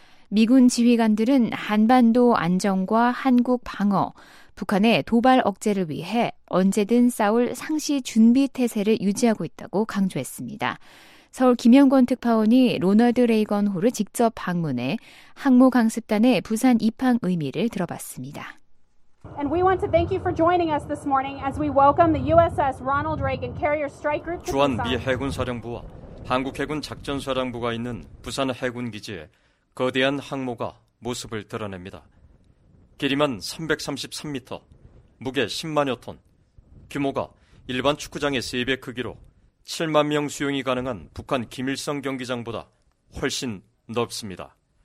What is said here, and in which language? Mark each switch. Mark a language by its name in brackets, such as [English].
[Korean] 미군 지휘관들은 한반도 안정과 한국 방어, 북한의 도발 억제를 위해 언제든 싸울 상시 준비태세를 유지하고 있다고 강조했습니다. 서울 김영권 특파원이 로널드 레이건호를 직접 방문해 항모강습단의 부산 입항 의미를 들어봤습니다. [English] And we want to thank you for joining us this morning as we welcome the USS Ronald Reagan Carrier Strike Group. [Korean] 주한 미 해군 사령부와 한국 해군 작전 사령부가 있는 부산 해군 기지에 거대한 항모가 모습을 드러냅니다. 길이만 333m, 무게 10만여 톤, 규모가 일반 축구장의 3배 크기로 7만 명 수용이 가능한 북한 김일성 경기장보다 훨씬 넓습니다.